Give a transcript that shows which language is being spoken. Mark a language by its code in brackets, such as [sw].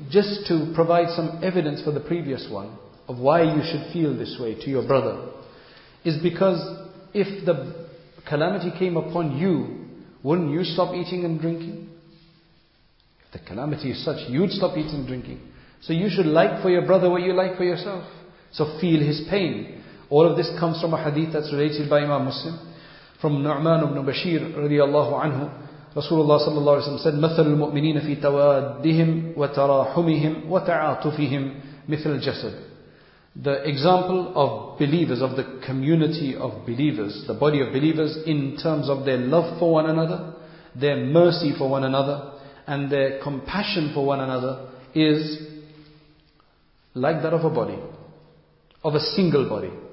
[en] Just to provide some evidence for the previous one, of why you should feel this way to your brother, is because if the calamity came upon you, wouldn't you stop eating and drinking? If the calamity is such, you'd stop eating and drinking. So you should like for your brother what you like for yourself. So feel his pain. All of this comes from a hadith that's related by Imam Muslim. From Nu'man ibn Bashir radiallahu anhu. [ar] Rasulullah sallallahu alayhi wa sallam said, مَثَلُ الْمُؤْمِنِينَ فِي تَوَادِّهِمْ وَتَرَاحُمِهِمْ وَتَعَاطُفِهِمْ مِثْلَ الْجَسَدِ. [en] The example of believers, of the community of believers, the body of believers, in terms of their love for one another, their mercy for one another, and their compassion for one another, is like that of a body. Of a single body.